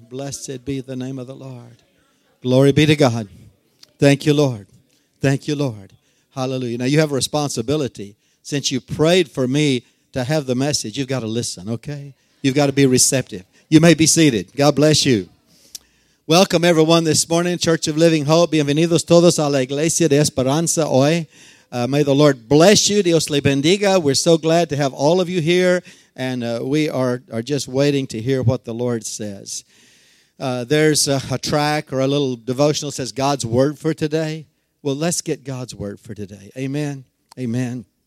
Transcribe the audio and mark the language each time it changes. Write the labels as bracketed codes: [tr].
[en] Blessed be the name of the Lord. Glory be to God. Thank you, Lord. Thank you, Lord. Hallelujah. Now, you have a responsibility. Since you prayed for me to have the message, you've got to listen, okay? You've got to be receptive. You may be seated. God bless you. Welcome, everyone, this morning, Church of Living Hope. [es] Bienvenidos todos a la Iglesia de Esperanza hoy. [en] May the Lord bless you. [es] Dios le bendiga. [en] We're so glad to have all of you here. And we are just waiting to hear what the Lord says. There's a track or a little devotional that says God's Word for today. Well, let's get God's Word for today. Amen. Amen.